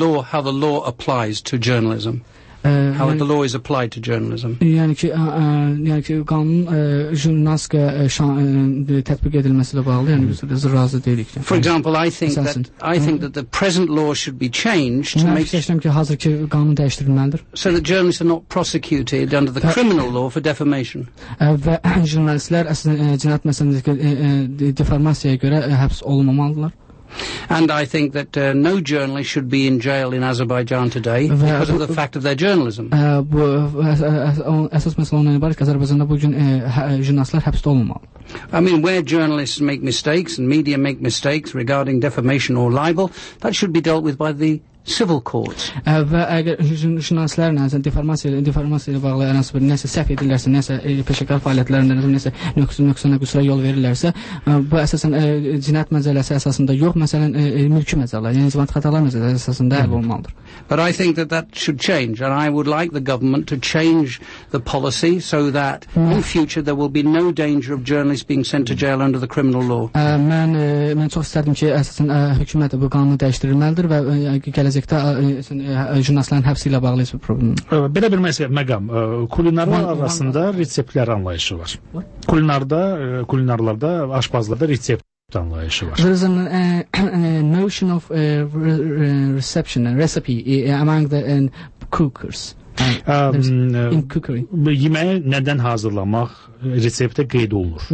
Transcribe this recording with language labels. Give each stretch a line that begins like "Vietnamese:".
English: how the law applies to journalism. How the law is applied to journalism.
Azerbaijani: Yəni ki qanun jurnalistika tətbiq edilməsi ilə bağlı, yəni biz də razı deyilik.
English: For example, I think that the present law should be changed to make
Azerbaijani: sure ki hazırki qanun dəyişdirilməlidir.
English: So that journalists are not prosecuted under the criminal law for defamation.
Azerbaijani: Və jurnalistlər əslində cinayət məsələsindəki deformasiyaya görə həbs olunmamalıdırlar.
English: And I think that no journalist should be in jail in Azerbaijan today because of the fact of their journalism. I mean, where journalists make mistakes and media make mistakes regarding defamation or libel, that should be dealt with by the civil courts.
Azerbaijani: Və əgər jurnalistlər nəsə informasiya ilə bağlı nəsə bir nəsə səhv edirlərsə, nəsə peşəkar fəaliyyətlərində nəsə nöqsana qüsurə yol verirlərsə, bu əsasən cinayət məcəlləsi əsasında yox, məsələn mülki məcəllələr, yəni zəmanət xətalar məcəlləsi əsasında həll olmalıdır.
English: But I think that that should change, and I would like the government to change the policy so that in future there will be no danger of journalists being sent to jail under the criminal law.
Azerbaijani: Mən çox istərdim ki, əsasən hökumət bu qanunu dəyişdirməlidir və gələcəkdə jurnalistlərin həbsi ilə bağlı bir problem. Belə bir məsələ, məqam, kulinarlar arasında reseptlər anlayışı var. Kulinarda, kulinarlarda, aşbazlarda resept anlayışı var.
English: There is an notion of reception and recipe among the cookers.
Azerbaijani: Yeməyə nədən hazırlamaq reseptə qeyd olunur.